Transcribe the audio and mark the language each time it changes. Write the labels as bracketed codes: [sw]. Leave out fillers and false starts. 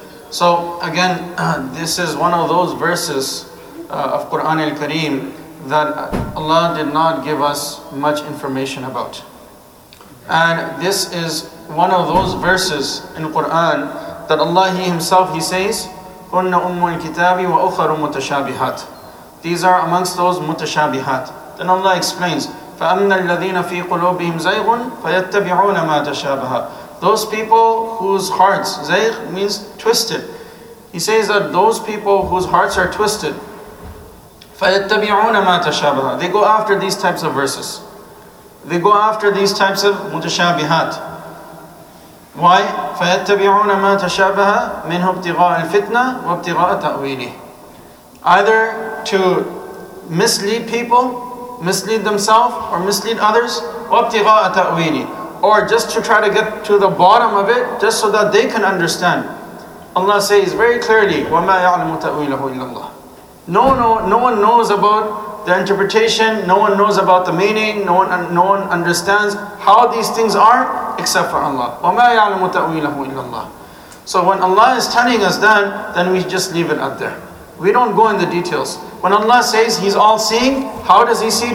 [en] So again, this is one of those verses of Qur'an al-Kareem that Allah did not give us much information about. And this is one of those verses in Qur'an that Allah, He Himself, He says, [ar] كُنَّ أُمُّ الْكِتَابِ وَأُخَرُ مُتَشَابِهَاتِ. [en] These are amongst those mutashabihat. Then Allah explains, [ar] فَأَمَّا الَّذِينَ فِي قُلُوبِهِمْ زَيْغٌ فَيَتَّبِعُونَ مَا تَشَابَهَا. [en] Those people whose hearts, زَيْغ means twisted. He says that those people whose hearts are twisted, [ar] فَيَتَّبِعُونَ مَا تَشَابَهَا. [en] They go after these types of verses. They go after these types of mutashabihat. Why? [ar] فَيَتَّبِعُونَ مَا تَشَابَهَا مِنْهُ ابْتِغَاءَ الْفِتْنَةِ وَابْتِغَاءَ تَأْوِيلِهِ. [en] Either to mislead people, mislead themselves, or mislead others, [ar] وَابْتِغَاءَ تَأْوِيلِهِ. [en] Or just to try to get to the bottom of it, just so that they can understand. Allah says very clearly, [ar] وَمَا يَعْلَمُ تَأْوِيلَهُ إِلَّا اللَّهِ. [en] No one knows about the interpretation, no one knows about the meaning, no one understands how these things are, except for Allah. [ar] وَمَا يَعْلَمُ تَأْوِيلَهُ إِلَّا اللَّهِ. [en] So when Allah is telling us that, then we just leave it out there. We don't go in the details. When Allah says He's all-seeing, how does He see?